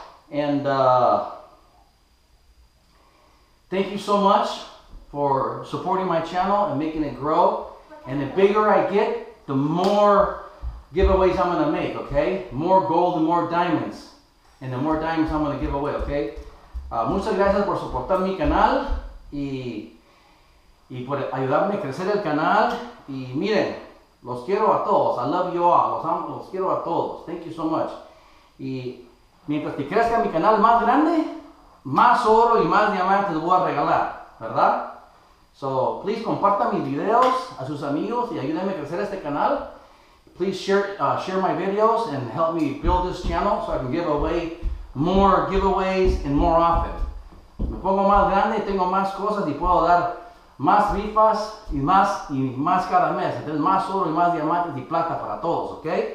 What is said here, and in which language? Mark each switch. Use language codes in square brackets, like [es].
[en] And thank you so much for supporting my channel and making it grow. And the bigger I get, the more giveaways I'm gonna make, okay? More gold and more diamonds. And the more diamonds I'm gonna give away, okay? [es] Muchas gracias por soportar mi canal y por ayudarme a crecer el canal. Y miren, los quiero a todos. [en] I love you all. [es] Los quiero a todos. [en] Thank you so much. [es] Y mientras que crezca mi canal más grande, más oro y más diamantes les voy a regalar, ¿verdad? So, please comparta mis videos a sus amigos y ayúdenme a crecer este canal. [en] Please share my videos and help me build this channel so I can give away more giveaways and more often. [es] Me pongo más grande, tengo más cosas y puedo dar más rifas y más cada mes. Entonces, más oro y más diamantes y plata para todos, ¿ok?